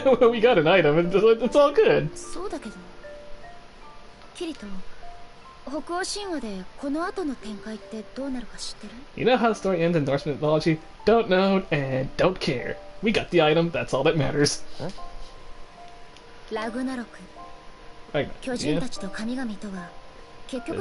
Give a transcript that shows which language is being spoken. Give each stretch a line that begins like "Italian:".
English: We got an item, and it's all good. So, Kirito.
Japanese: 北欧神話でこの後の展開ってどうなるか知ってる?
English: You know how the story ends in Norse mythology? Don't know and don't care. We got the item, that's all that matters.
Japanese: ラグナロク。
English: Right.
Japanese: 巨人たちと神々とは結局